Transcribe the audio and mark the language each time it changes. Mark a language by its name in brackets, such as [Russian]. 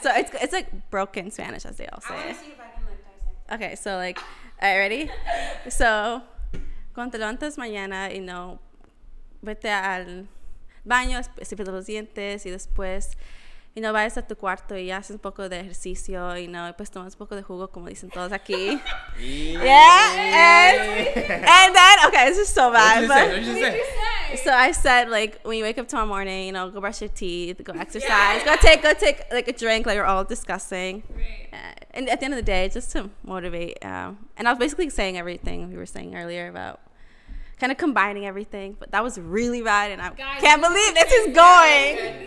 [English] So it's like broken Spanish, as they all say. I want to see if I can like dissect. Okay, so like, all right, ready? [Spanish] So cuando te levantes mañana, [English] you know, [Spanish] vete al baño, cepillate los dientes y después. Y no vayas a tu cuarto y haces un poco de ejercicio y no, pues tomas un poco de jugo como dicen todos aquí. [English] Yeah, and then, okay, this is so bad. What did you say? So I said, like, when you wake up tomorrow morning, you know, go brush your teeth, go exercise, go take like a drink, like we're all discussing. Right. And at the end of the day, just to motivate. And I was basically saying everything we were saying earlier about kind of combining everything, but that was really bad and I can't believe this is going.